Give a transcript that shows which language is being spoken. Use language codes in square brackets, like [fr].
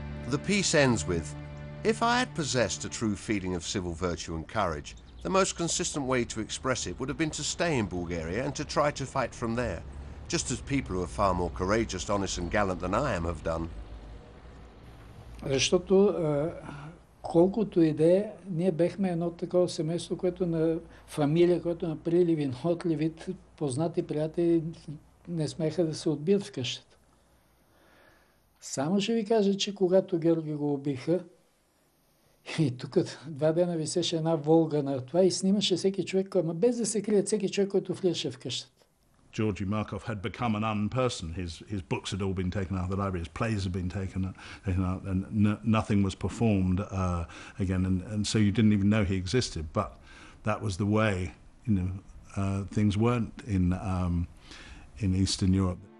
[en] The piece ends with, "If I had possessed a true feeling of civil virtue and courage, the most consistent way to express it would have been to stay in Bulgaria and to try to fight from there, just as people who are far more courageous, honest and gallant than I am have done." [bg] Защото колкото и да е, ние бехме едно такова семейство, което на фамилия, което на приливи, на отливи, познати приятели не смеха да се отбият в къщата. Само ще ви кажа, че когато Георги го убиха, и тук два дена висеше една Волга на това и снимаше всеки човек, който, без да се крият, всеки човек, който влизаше в къщата. [en] Georgi Markov had become an unperson. His books had all been taken out of the library, his plays had been taken out, and nothing was performed again, and so you didn't even know he existed. But that was the way, you know, things weren't in Eastern Europe.